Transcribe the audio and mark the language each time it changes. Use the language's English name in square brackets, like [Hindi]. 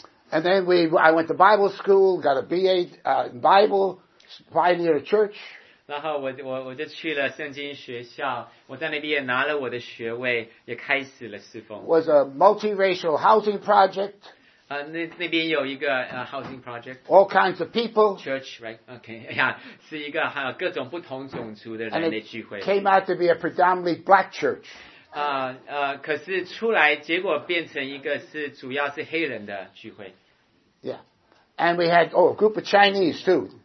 [English] And then I went to Bible school, got a BA in Bible, pioneer a church. [Chinese] 然后我就去了圣经学校，我在那边也拿了我的学位，也开始了侍奉。 [English] Was a multiracial housing project. [Chinese] 那边有一个 [English] housing project. All kinds of people. Church, right? Okay. Yeah. [Chinese] 是一个还有各种不同种族的人的聚会。 [English] Came out to be a predominantly black church. [Chinese] 可是出来结果变成一个是主要是黑人的聚会。 [English] Yeah. And we had, a group of Chinese too.